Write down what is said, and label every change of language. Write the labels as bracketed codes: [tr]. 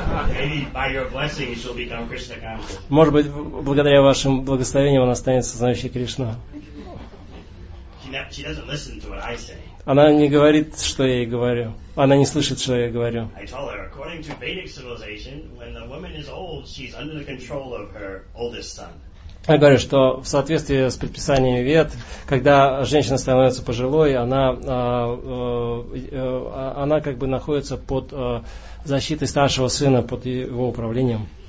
[en] Maybe by your blessing he shall become Krishna conscious. [ru] Может быть, благодаря вашим благословениям он останется знающий Кришну. [en] She doesn't listen to what I say. [ru] Она не говорит, что я ей говорю. Она не слышит, что я говорю. [en] I told her, according to Vedic civilization, when the woman is old, she's under the control of her oldest son. [ru] Я говорю, что в соответствии с предписаниями Вед, когда женщина становится пожилой, она как бы находится под защитой старшего сына, под его управлением.